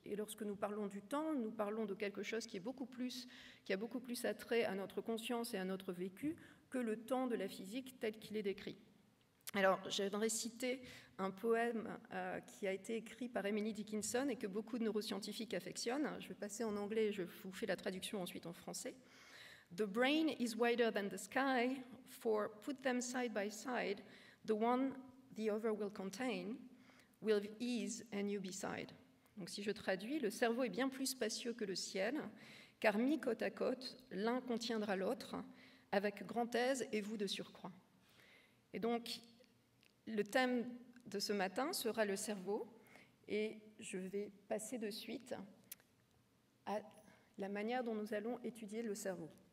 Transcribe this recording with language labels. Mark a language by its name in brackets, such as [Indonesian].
[French] Et lorsque nous parlons du temps, nous parlons de quelque chose qui est beaucoup plus, qui a beaucoup plus attrait à notre conscience et à notre vécu que le temps de la physique tel qu'il est décrit. Alors, j'aimerais citer un poème qui a été écrit par Emily Dickinson et que beaucoup de neuroscientifiques affectionnent. Je vais passer en anglais et je vous fais la traduction ensuite en français. [English] The brain is wider than the sky, for put them side by side, the one the other will contain, will ease and you beside. [French] Donc si je traduis, le cerveau est bien plus spacieux que le ciel, car mis côte à côte, l'un contiendra l'autre, avec grand aise et vous de surcroît. Et donc, le thème de ce matin sera le cerveau, et je vais passer de suite à la manière dont nous allons étudier le cerveau.